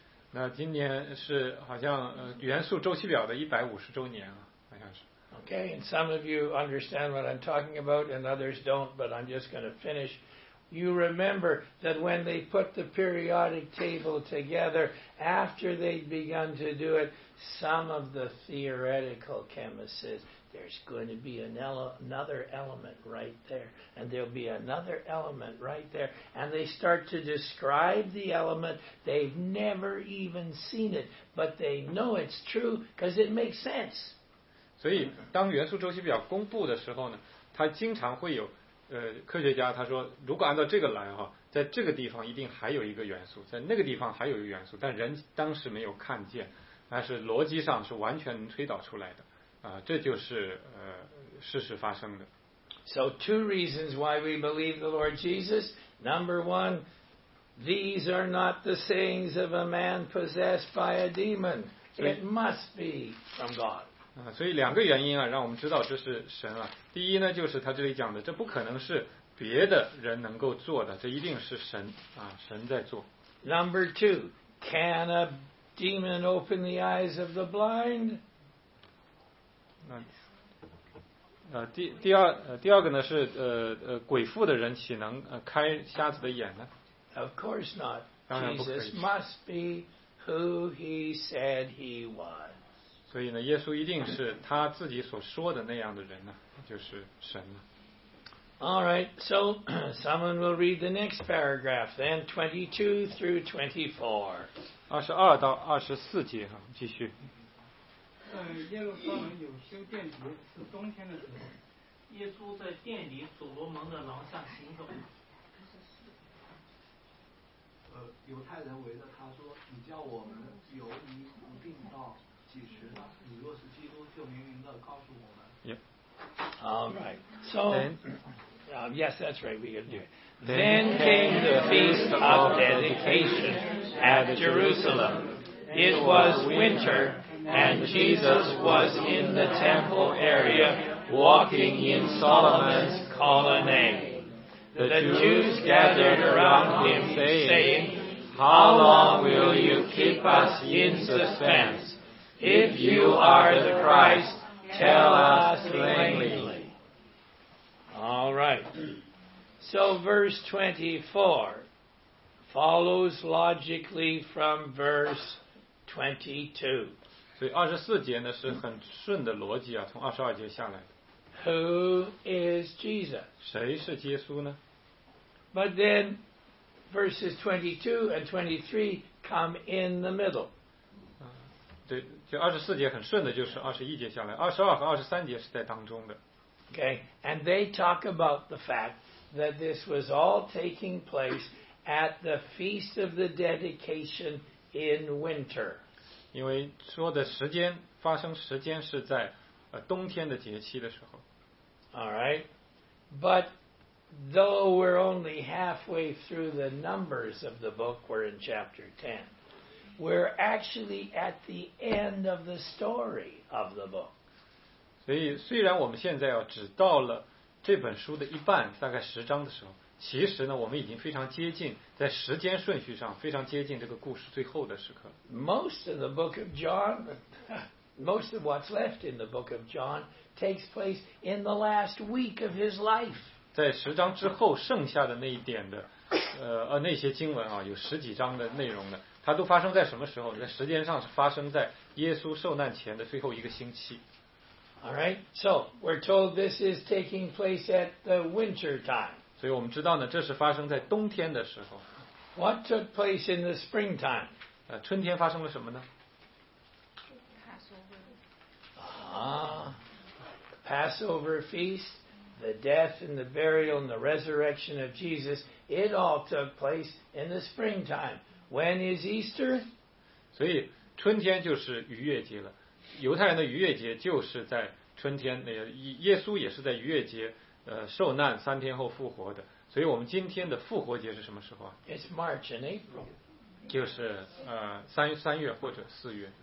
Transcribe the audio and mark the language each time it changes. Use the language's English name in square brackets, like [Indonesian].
[Chinese] 那今年是好像元素周期表的150周年啊，好像是。 [English] Okay, and some of you understand what I'm talking about and others don't, but I'm just going to finish. You remember that when they put the periodic table together, after they'd begun to do it, some of the theoretical chemists said,There's going to be another element right there, and there'll be another element right there, and they start to describe the element. They've never even seen it, but they know it's true because it makes sense. [Chinese] 所以当元素周期表公布的时候呢，它经常会有科学家他说，如果按照这个来哈，在这个地方一定还有一个元素，在那个地方还有一个元素，但人当时没有看见，但是逻辑上是完全能推导出来的。这就是事实发生的。 [English] So two reasons why we believe the Lord Jesus. Number one, these are not the sayings of a man possessed by a demon. It must be from God. [Chinese] 所以两个原因啊，让我们知道这是神啊。第一呢，就是他这里讲的，这不可能是别的人能够做的，这一定是神啊，神在做。 [English] Number two, can a demon open the eyes of the blind? [Chinese] 第二个呢是鬼附的人岂能开瞎子的眼呢 [English] ？Of course not. Jesus must be who he said he was. [Chinese] 所以呢，耶稣一定是他自己所说的那样的人呢，就是神呢。 [English] All right, so someone will read the next paragraph, then 22 through 24. [Chinese] 22到24节，哈，继续。耶路撒冷有修殿局，是冬天的时候，耶稣在殿里所罗门的廊下行走。犹太人围着他说：“你叫我们由你苦病到几时呢？你若是基督，就明明的告诉我们。” [English] All right. So, yes, that's right. We can do it. Then came the feast of dedication at Jerusalem. It was winter, and Jesus was in the temple area, walking in Solomon's colonnade. The Jews gathered around him, saying, "How long will you keep us in suspense? If you are the Christ, tell us plainly." All right. So verse 24 follows logically from verse 22. [Chinese] 所以24节呢是很顺的逻辑啊，从22节下来的。 [English] Who is Jesus? [Chinese] 谁是耶稣呢？ [English] But then verses 22 and 23 come in the middle. [Chinese] 对，就二十四节很顺的，就是二十一节下来，二十二和二十三节是在当中的。 [English] Okay, and they talk about the fact that this was all taking place at the Feast of the Dedication in winter. [Chinese] 因为说的时间，发生时间是在冬天的节期的时候。 [English] All right, but though we're only halfway through the numbers of the book, we're in chapter 10. We're actually at the end of the story of the book. [Chinese] 所以虽然我们现在只到了这本书的一半，大概十章的时候，其实呢，我们已经非常接近，在时间顺序上非常接近这个故事最后的时刻。 [English] Most of the book of John, most of what's left in the book of John takes place in the last week of his life. [Chinese] 在十章之后剩下的那一点的那些经文啊，有十几章的内容的，它都发生在什么时候？在时间上是发生在耶稣受难前的最后一个星期。 [English] All right, so we're told this is taking place at the winter time. [Chinese] 所以我们知道呢，这是发生在冬天的时候。 [English] What took place in the springtime? [Chinese] 春天发生了什么呢？ [English] Passover feast, the death and the burial and the resurrection of Jesus, it all took place in the springtime. When is Easter? [Chinese] 所以春天就是逾越节了。犹太人的逾越节就是在春天，耶稣也是在逾越节受难三天后复活的。所以我们今天的复活节是什么时候啊？ [English] It's March and April. [Chinese] 就是三月或者四月。